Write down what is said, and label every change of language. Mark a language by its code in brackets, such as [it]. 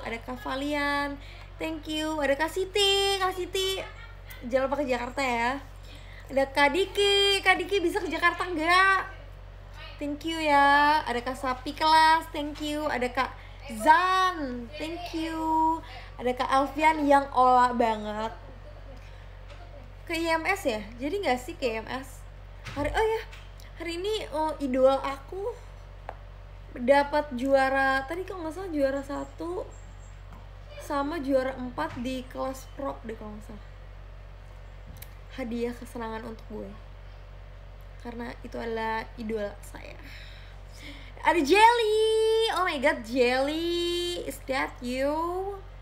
[id] Ada Kak Valian, [en] thank you. [id] Ada Kak Siti, Kak Siti. Jangan lupa ke Jakarta ya. Ada Kak Diki bisa ke Jakarta enggak? [en] Thank you [id] ya. Ada Kak Sapi Kelas, [en] thank you. [id] Ada Kak Zan, thank you. Ada Kak Alfian yang Ola banget. Ke IMS ya? Jadi enggak sih ke IMS? Hari, oh ya, hari ini idol aku dapat juara, tadi kalau enggak salah juara 1 sama juara 4 di kelas pro deh kalau enggak salah. Hadiah kesenangan untuk gue karena itu adalah idola saya. Ada [en] Jelly, oh my god, Jelly, is that you?